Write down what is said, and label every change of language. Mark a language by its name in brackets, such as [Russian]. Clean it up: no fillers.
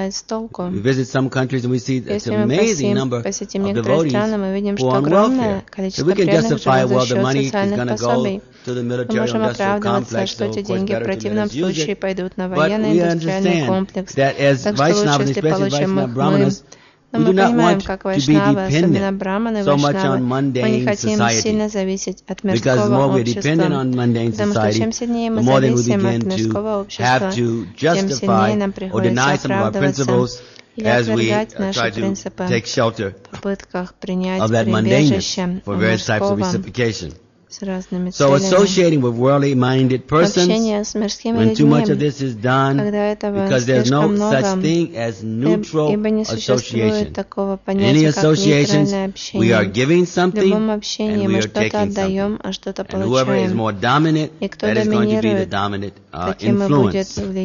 [English] We visit some countries and we see that's an amazing number of devotees who are on welfare. So we can justify, well, the money is going to go to the military-industrial complex, so of course better to use it. But we understand that as Vaishnava, especially Vaishnava Brahmanas, [Russian] но мы понимаем, как вайшнавы, особенно брахманы вайшнавы, мы не хотим сильно зависеть от мирского общества, потому что чем сильнее мы зависим от мирского общества, тем сильнее нам приходится оправдываться или отвергать наши принципы в попытках принять прибежище мирского. [English] So associating with worldly-minded persons, when too much of this is done, because there's no such thing as neutral association. Any associations, we are giving something, and we are taking something. And whoever is more dominant, that is going to be the dominant influence.